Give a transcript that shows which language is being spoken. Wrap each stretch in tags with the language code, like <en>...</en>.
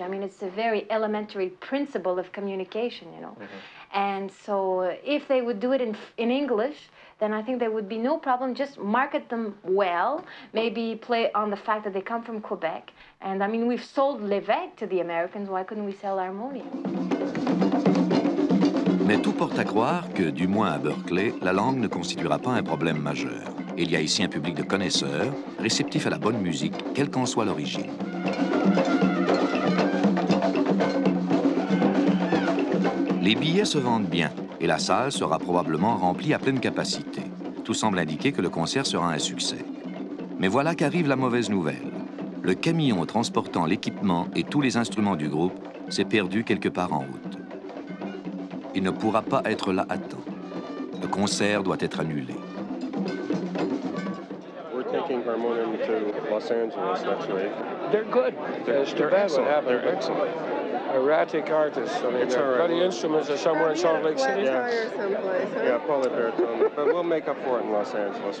<en>I mean, it's a very elementary principle of communication, you know. Mm-hmm. And so if they would do it in English, then I think there would be no problem. Just market them well, maybe play on the fact that they come from Quebec. And I mean, we've sold Lévesque to the Americans. Why couldn't we sell Harmonium?</en> <fr>Mais tout porte à croire que, du moins à Berkeley, la langue ne constituera pas un problème majeur. Il y a ici un public de connaisseurs, réceptifs à la bonne musique, quelle qu'en soit l'origine. Les billets se vendent bien et la salle sera probablement remplie à pleine capacité. Tout semble indiquer que le concert sera un succès. Mais voilà qu'arrive la mauvaise nouvelle. Le camion transportant l'équipement et tous les instruments du groupe s'est perdu quelque part en route. Il ne pourra pas être là à temps. Le concert doit être annulé.</fr> <en>We're taking Harmonium to Los Angeles next week. They're good. They're excellent. Erratic artists. I mean, but the instruments are somewhere in Salt Lake City. Yeah, probably Baritone. But we'll make up for it in Los Angeles.</en>